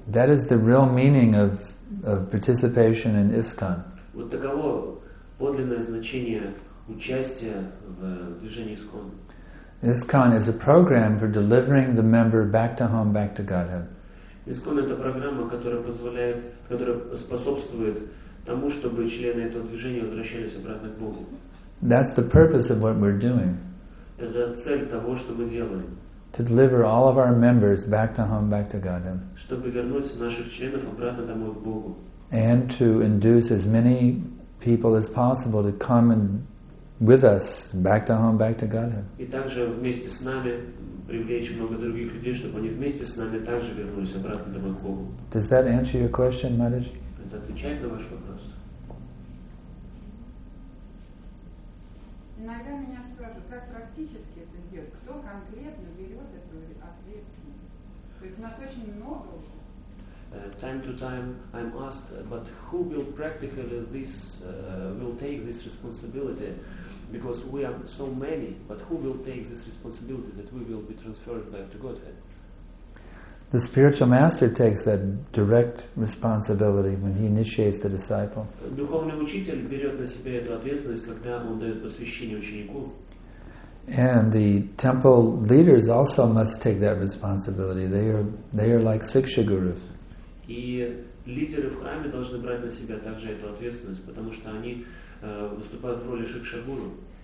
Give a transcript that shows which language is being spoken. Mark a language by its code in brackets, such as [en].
[en] That is the real meaning of participation in ISKCON. [ru] Вот таково подлинное значение участия в движении ISKCON. [en] ISKCON is a program for delivering the member back to home, back to Godhead. [ru] ISKCON — это программа, которая позволяет, которая способствует тому, чтобы члены этого движения возвращались обратно к Богу. [en] That's the purpose of what we're doing. [ru] Это цель того, что мы делаем. [en] To deliver all of our members back to home, back to Godhead. [ru] Чтобы вернуть наших членов обратно домой к Богу. [en] And to induce as many people as possible to come and with us back to home, back to Godhead. [ru] И также вместе с нами привлечь много других людей, чтобы они вместе с нами также вернулись обратно домой к Богу. [en] Does that answer your question, Mataji? [ru] Это отвечает на ваш вопрос. Иногда меня спрашивают, как практически это сделать? Кто конкретно берет эту ответственность? То есть у нас очень много. [en] Time to time, I'm asked, but who will practically this will take this responsibility? Because we are so many, but who will take this responsibility that we will be transferred back to Godhead? The spiritual master takes that direct responsibility when he initiates the disciple. [ru] Духовный учитель берет на себя эту ответственность, когда он дает посвящение ученику. [en] And the temple leaders also must take that responsibility. They are like siksha gurus. [ru] И лидеры в храме должны брать на себя также эту ответственность, потому что они выступают в роли шикша гуру.